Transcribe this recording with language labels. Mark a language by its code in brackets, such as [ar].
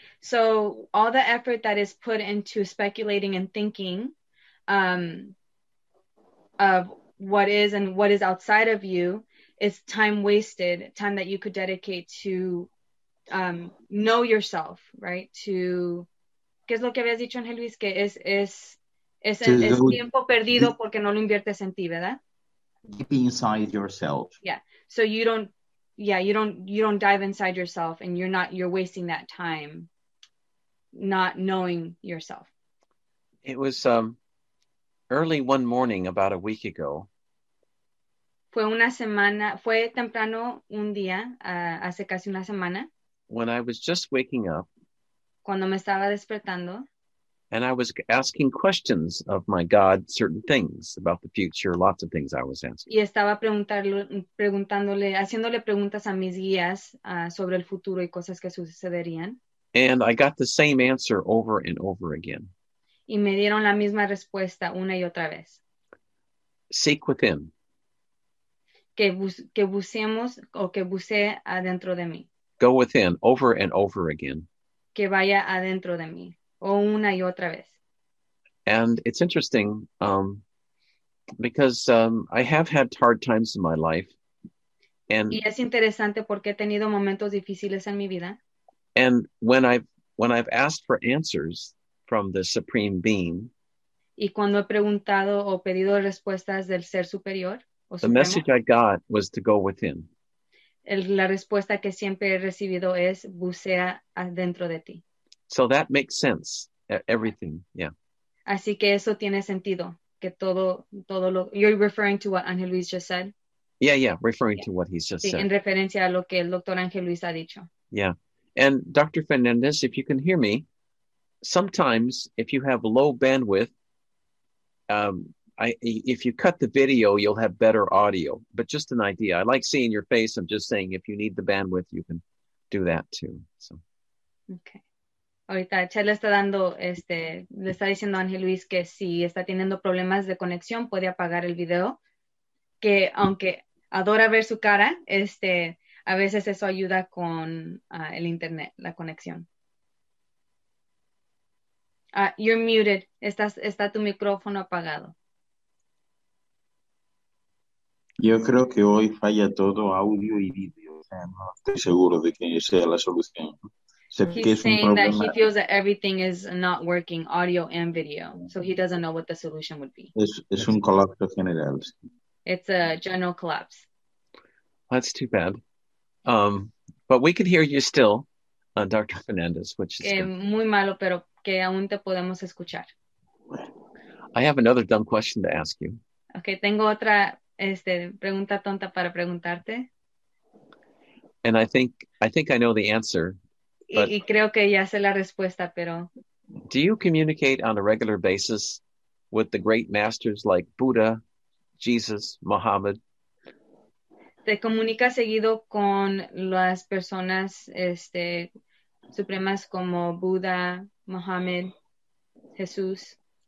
[en] So all the effort that is put into speculating and thinking of what is and what is outside of you is time wasted, time that you could dedicate to know yourself, right? To, [es] ¿qué es lo que habías dicho, Angel Luis? Que es tiempo perdido porque no lo inviertes en ti, ¿verdad? [en] Deep inside yourself. Yeah. So you don't dive inside yourself and you're wasting that time not knowing yourself. It was Early one morning, about a week ago, [es] fue una semana, fue temprano un día, hace casi una semana, [en] when I was just waking up, [es] cuando me estaba despertando, [en] and I was asking questions of my God, certain things about the future, lots of things I was answering. [es] Y estaba preguntándole, haciéndole preguntas a mis guías sobre el futuro y cosas que sucederían. [en] And I got the same answer over and over again. [es] Y me dieron la misma respuesta una y otra vez. [en] Seek within. [es] Que busquemos o que busque adentro de mí. [en] Go within, over and over again. [es] Que vaya adentro de mí. O una y otra vez. [en] And it's interesting because I have had hard times in my life. And, [es] y es interesante porque he tenido momentos difíciles en mi vida. [en] And when I've asked for answers from the Supreme Being, [es] y cuando he preguntado o pedido respuestas del Ser Superior, o [en] the [es] Supremo, [en] message I got was to go within. [es] La respuesta que siempre he recibido es bucea adentro de ti. [en] So that makes sense, everything, yeah. [es] Así que eso tiene sentido, que todo lo... [en] You're referring to what Angel Luis just said? Yeah, referring to what he's just said. [es] Sí, en referencia a lo que el Dr. Angel Luis ha dicho. [en] Yeah, and Dr. Fernandez, if you can hear me, sometimes if you have low bandwidth, if you cut the video, you'll have better audio, but just an idea. I like seeing your face. I'm just saying if you need the bandwidth, you can do that too. So. Okay. [es] Ahorita Chela está dando, le está diciendo a Ángel Luis que si está teniendo problemas de conexión, puede apagar el video. Que aunque adora ver su cara, a veces eso ayuda con el internet, la conexión. [en] You're muted. [es] Está tu micrófono apagado. Yo creo que hoy falla todo audio y video. No estoy seguro de que sea la solución. [en] He's saying that he feels that everything is not working, audio and video. So he doesn't know what the solution would be. [es] Es un colapso general. [en] It's a general collapse. That's too bad. But we can hear you still, Dr. Fernandez, which is [es] muy malo, pero que aún te podemos escuchar. [en] I have another dumb question to ask you. [es] Okay, tengo otra pregunta tonta para preguntarte. [en] And I think I know the answer. But, [es] y creo que ya sé la respuesta, pero... [en] Do you communicate on a regular basis with the great masters like Buddha, Jesus, Muhammad? [es] ¿Te comunicas seguido con las personas supremas como Buda, Muhammad, Jesús?